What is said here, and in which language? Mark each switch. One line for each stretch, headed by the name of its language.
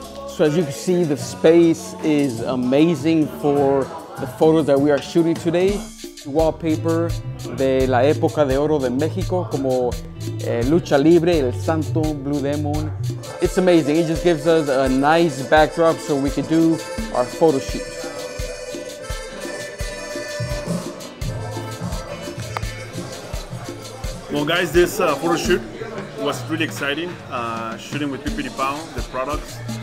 English: So as you can see, the space is amazing for the photos that we are shooting today.
Spanish: Wallpaper de la época de oro de México, como Lucha Libre, El Santo, Blue Demon.
English: It's amazing. It just gives us a nice backdrop so we can do our photo shoot. Well, guys, this photo shoot was really exciting. Shooting with Pipiripau, the products.